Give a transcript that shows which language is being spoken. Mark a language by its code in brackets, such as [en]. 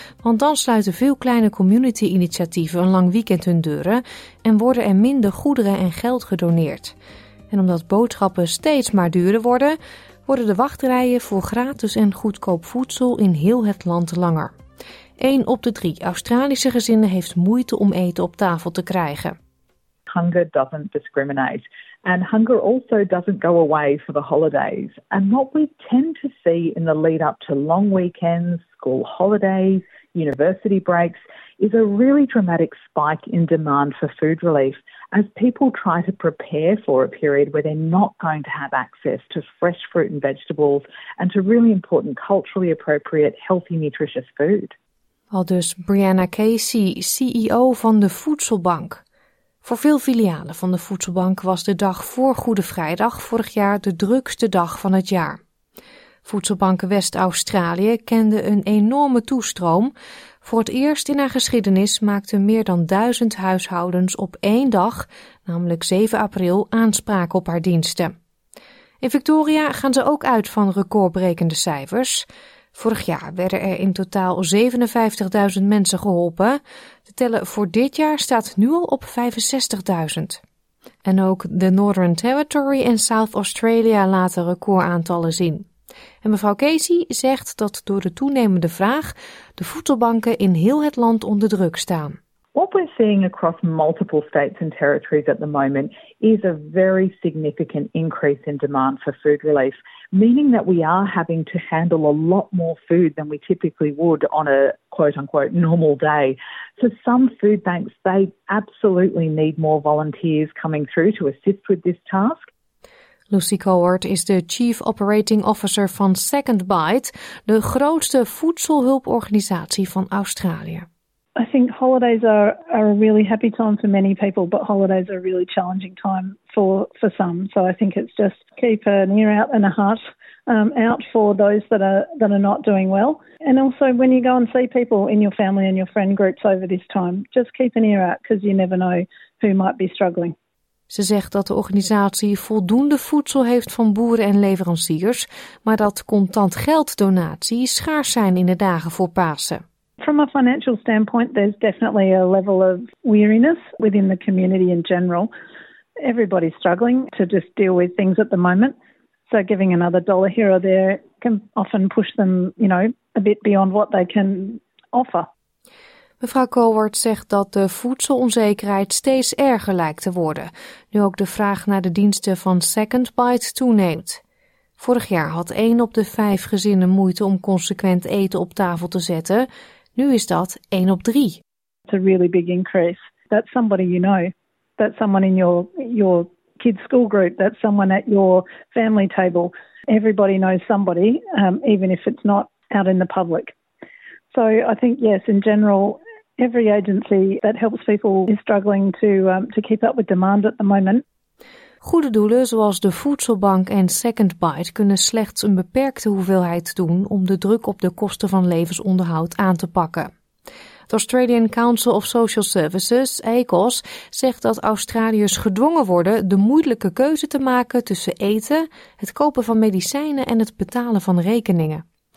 [nl] Want dan sluiten veel kleine community-initiatieven een lang weekend hun deuren en worden er minder goederen en geld gedoneerd. En omdat boodschappen steeds maar duurder worden, worden de wachtrijen voor gratis en goedkoop voedsel in heel het land langer. 1 op de 3 Australische gezinnen heeft moeite om eten op tafel te krijgen. [en] Hunger doesn't discriminate. And hunger also doesn't go away for the holidays. And what we tend to see in the lead up to long weekends, school holidays, university breaks, is a really dramatic spike in demand for food relief as people try to prepare for a period where they're not going to have access to fresh fruit and vegetables and to really important culturally appropriate, healthy, nutritious food. [nl] Al dus Brianna Casey, CEO van de Voedselbank. Voor veel filialen van de Voedselbank was de dag voor Goede Vrijdag vorig jaar de drukste dag van het jaar. Voedselbank West-Australië kende een enorme toestroom. Voor het eerst in haar geschiedenis maakten meer dan 1000 huishoudens op 1 dag, namelijk 7 april, aanspraak op haar diensten. In Victoria gaan ze ook uit van recordbrekende cijfers. Vorig jaar werden er in totaal 57.000 mensen geholpen. De teller voor dit jaar staat nu al op 65.000. En ook de Northern Territory en South Australia laten recordaantallen zien. En mevrouw Casey zegt dat door de toenemende vraag de voedselbanken in heel het land onder druk staan. [en] What we're seeing across multiple states and territories at the moment is a very significant increase in demand for food relief, meaning that we are having to handle a lot more food than we typically would on a quote-unquote normal day. So some food banks, they absolutely need more volunteers coming through to assist with this task. [nl] Lucy Coward is de Chief Operating Officer van Second Bite, de grootste voedselhulporganisatie van Australië. [en] I think holidays are a really happy time for many people, but holidays are a really challenging time for some. So I think it's just keep an ear out and a heart out for those that are not doing well. And also when you go and see people in your family and your friend groups over this time, just keep an ear out because you never know who might be struggling. [nl] Ze zegt dat de organisatie voldoende voedsel heeft van boeren en leveranciers, maar dat contant gelddonaties schaars zijn in de dagen voor Pasen. [en] From a financial standpoint, there's definitely a level of weariness within the community in general. Everybody's struggling to just deal with things at the moment. So giving another dollar here or there can often push them, you know, a bit beyond what they can offer. [nl] Mevrouw Colwart zegt dat de voedselonzekerheid steeds erger lijkt te worden, nu ook de vraag naar de diensten van Second Bite toeneemt. Vorig jaar had 1 op de 5 gezinnen moeite om consequent eten op tafel te zetten. Nu is dat 1 op 3. [en] It's a really big increase. That's somebody you know. That's someone in your kids' school group. That's someone at your family table. Everybody knows somebody, even if it's not out in the public. So I think, yes, in general, every agency that helps people is struggling to keep up with demand at the moment. [nl] Goede doelen zoals de Voedselbank en Second Bite kunnen slechts een beperkte hoeveelheid doen om de druk op de kosten van levensonderhoud aan te pakken. Het Australian Council of Social Services, ACOS, zegt dat Australiërs gedwongen worden de moeilijke keuze te maken tussen eten, het kopen van medicijnen en het betalen van rekeningen.